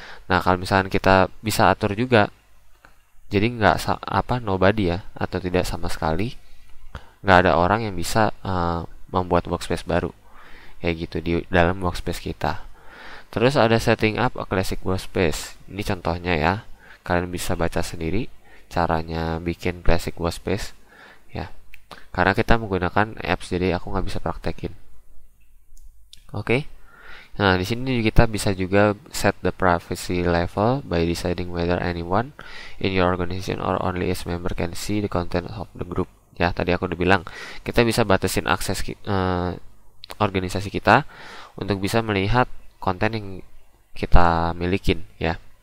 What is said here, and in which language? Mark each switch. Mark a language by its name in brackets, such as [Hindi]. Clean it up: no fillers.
[Indonesian] Nah, kalau misalkan kita bisa atur juga, jadi nggak apa nobody ya, atau tidak sama sekali, nggak ada orang yang bisa membuat workspace baru, kayak gitu di dalam workspace kita. Terus ada [English] setting up a classic workspace. [Indonesian] Ini contohnya ya, kalian bisa baca sendiri caranya bikin classic workspace ya. Karena kita menggunakan apps, jadi aku nggak bisa praktekin. Oke. Nah, di sini kita bisa juga [English] set the privacy level by deciding whether anyone in your organization or only its member can see the content of the group. [Indonesian] Ya, tadi aku udah bilang, kita bisa batasin akses organisasi kita untuk bisa melihat konten yang kita milikin, ya.